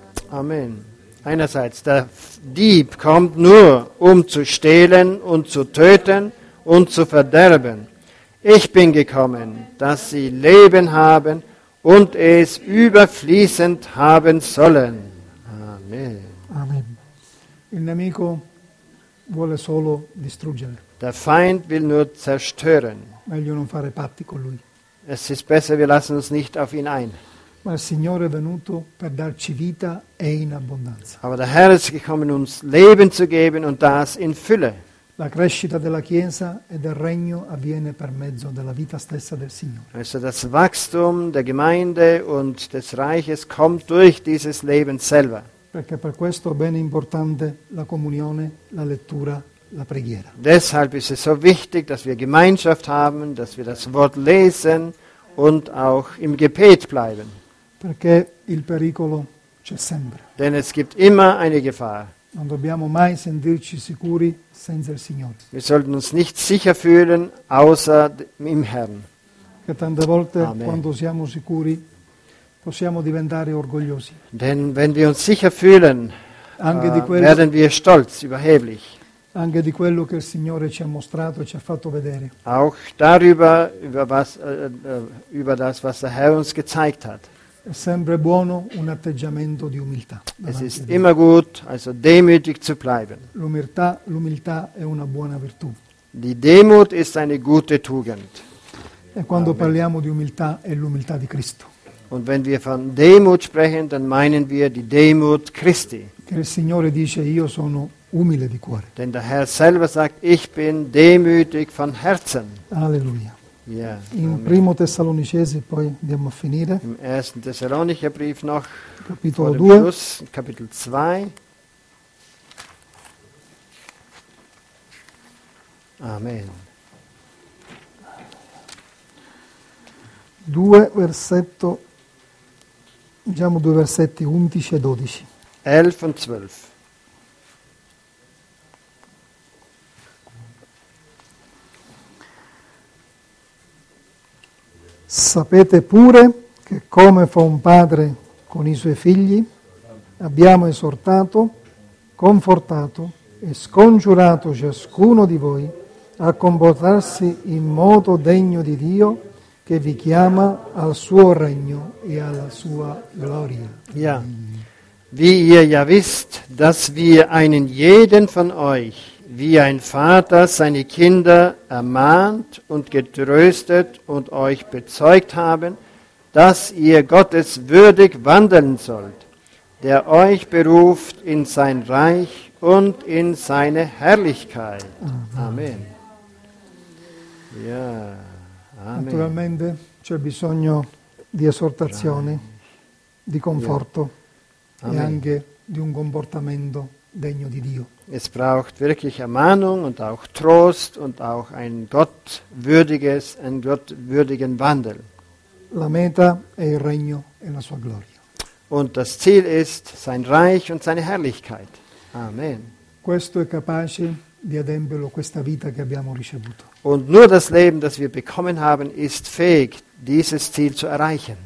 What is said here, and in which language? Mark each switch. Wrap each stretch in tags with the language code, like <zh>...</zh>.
<de>Amen. Einerseits, der Dieb kommt nur, zu stehlen und zu töten und zu verderben. Ich bin gekommen, dass sie Leben haben und es überfließend haben sollen. Amen. Amen.</de> <it>Il nemico vuole solo distruggere.</it> <de>Der Feind will nur zerstören.</de> <it>Meglio non fare patti con lui.</it> <de>Es ist besser, wir lassen uns nicht auf ihn ein.</de> <it>Ma il Signore è venuto per darci vita e in abbondanza.</it> <de>Aber der Herr ist gekommen, uns Leben zu geben und das in Fülle.</de> <it>La crescita della Chiesa e del Regno avviene per mezzo della vita stessa del Signore.</it> <de>Also das Wachstum der Gemeinde und des Reiches kommt durch dieses Leben selber.</de> <it>Perché per questo è bene importante la comunione, la lettura, la preghiera.</it> <de>Deshalb ist es so wichtig, dass wir Gemeinschaft haben, dass wir das Wort lesen und auch im Gebet bleiben.</de> <it>Perché il pericolo c'è sempre.</it> <de>Denn es gibt immer eine Gefahr.</de> <it>Non dobbiamo mai sentirci sicuri senza il Signore.</it> <de>Wir sollten uns nicht sicher fühlen, außer im Herrn.</de> <it>che tante volte quando siamo sicuri possiamo diventare orgogliosi.</it> <de>Denn wenn wir uns sicher fühlen, werden wir stolz, überheblich.</de> <it>Anche di quello che il Signore ci ha mostrato e ci ha fatto vedere.</it> <de>Auch darüber, über das, was der Herr uns gezeigt hat.</de> <it>È sempre buono un atteggiamento di umiltà.</it> <de>Es ist immer gut, also demütig zu bleiben.</de> <it>L'umiltà è una buona virtù.</it> <de>Die Demut ist eine gute Tugend.</de> <it>E quando parliamo di umiltà, è l'umiltà di Cristo.</it> <de>Und wenn wir von Demut sprechen, dann meinen wir die Demut Christi.</de> <it>Che il Signore dice, io sono umile di cuore.</it> <de>Denn der Herr selber sagt, ich bin demütig von Herzen. Alleluia. Yeah,</de> <it>in primo Thessalonicesi, poi andiamo a finire.</it> <de>Im ersten Thessalonicher Brief noch,</de> <it>Kapitolo 2.</it> <de>Kapitel 2. Amen.</de> <it>2 versetto, diciamo due versetti 11 e 12.</it> <de>11 und 12.</de> <it>Sapete pure che come fa un padre con i suoi figli, abbiamo esortato, confortato e scongiurato ciascuno di voi a comportarsi in modo degno di Dio che vi chiama al suo regno e alla sua gloria.</it> <de>Ja, wie ihr ja wisst, dass wir einen jeden von euch wie ein Vater seine Kinder ermahnt und getröstet und euch bezeugt haben, dass ihr Gottes würdig wandeln sollt, der euch beruft in sein Reich und in seine Herrlichkeit. Amen. Ja, Amen.</de> <it>Naturalmente c'è bisogno di esortazione, di conforto e anche di un comportamento degno di Dio.</it> <de>Es braucht wirklich Ermahnung und auch Trost und auch ein gottwürdiges, einen gottwürdigen Wandel.</de> <it>La meta è il regno e la sua gloria.</it> <de>Und das Ziel ist sein Reich und seine Herrlichkeit. Amen.</de> <it>Questo è capace di adempiere questa vita che abbiamo ricevuto.</it> <de>Und nur das Leben, das wir bekommen haben, ist fähig, dieses Ziel zu erreichen.</de>